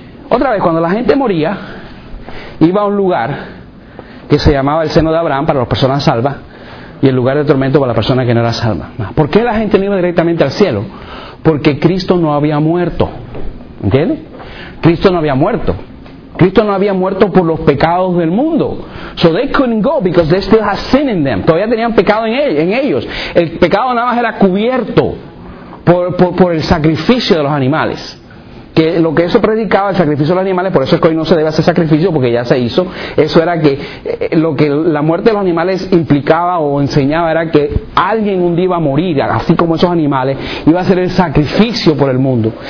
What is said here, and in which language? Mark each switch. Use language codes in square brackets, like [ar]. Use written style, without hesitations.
[es] Otra vez, cuando la gente moría, iba a un lugar que se llamaba el seno de Abraham para las personas salvas y el lugar de tormento para la persona que no era salva. ¿Por qué la gente no iba directamente al cielo? Porque Cristo no había muerto. ¿Entiende? Cristo no había muerto. Cristo no había muerto por los pecados del mundo. [en] So they couldn't go because they still had sin in them. [es] Todavía tenían pecado en ellos. El pecado nada más era cubierto por el sacrificio de los animales. Que lo que eso predicaba, el sacrificio de los animales, por eso es que hoy no se debe hacer sacrificio porque ya se hizo. Eso era que lo que la muerte de los animales implicaba o enseñaba era que alguien un día iba a morir, así como esos animales, iba a ser el sacrificio por el mundo.